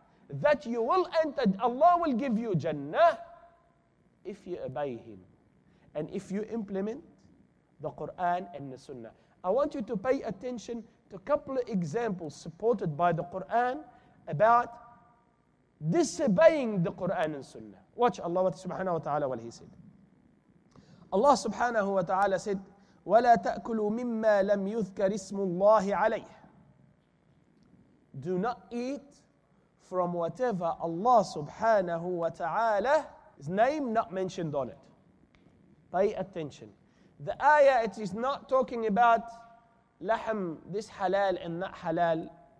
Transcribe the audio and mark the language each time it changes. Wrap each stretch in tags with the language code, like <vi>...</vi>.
<en>That you will enter, Allah will give you Jannah if you obey Him and if you implement the Quran and the Sunnah. I want you to pay attention to a couple of examples supported by the Quran about disobeying the Quran and Sunnah. Watch Allah subhanahu wa ta'ala what He said.</en> <ar>Allah subhanahu wa ta'ala</ar> <en>said,</en> <ar>وَلَا تَأْكُلُوا مِمَّا لَمْ يُذْكَرِ اسْمُ اللَّهِ عَلَيْهِ.</ar> <en>Do not eat from whatever Allah subhanahu wa ta'ala's name not mentioned on it. Pay attention. The ayah, it is not talking about lahm, this halal and not halal.</en>